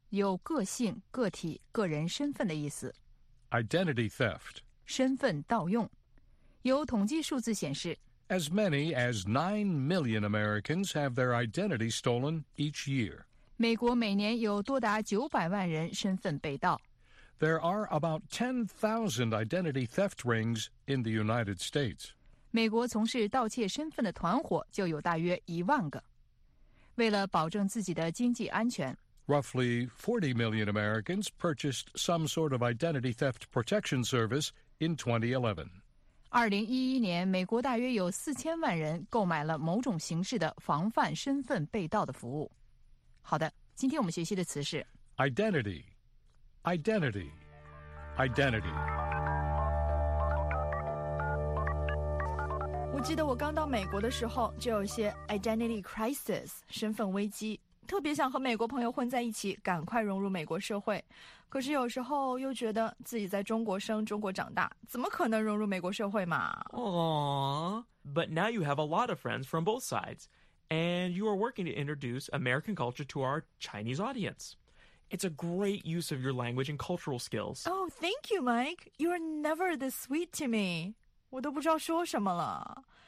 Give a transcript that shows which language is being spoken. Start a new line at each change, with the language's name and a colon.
Chinese: 有个性、个体、个人身份的意思。
English: Identity theft.
Chinese: 身份盗用。有统计数字显示
English: ,As many as 9 million Americans have their identity stolen each year.
Chinese: 美国每年有多达900万人身份被盗。
English: There are about 10,000 identity theft rings in the United States.
Chinese: 美国从事盗窃身份的团伙就有大约1万个。为了保证自己的经济安全
English: Roughly 40 million Americans purchased some sort of identity theft protection service in 2011.
Chinese: 2011年，美国大约有4000万人购买了某种形式的防范身份被盗的服务。好的，今天我们学习的词是
English: identity, identity, identity。
Chinese: 我记得我刚到美国的时候，就有些 identity crisis, 身份危机。特别想和美国朋友混在一起，赶快融入美国社会，可是有时候又觉得自己在中国生、中国长大，怎么可能融入美国社会嘛？
English: But now you have a lot of friends from both sides, and you are working to introduce American culture to our Chinese audience. It's a great use of your language and cultural skills. Oh, thank you, Mike. You're never this sweet to me.
Chinese: 我都不知道说什么了。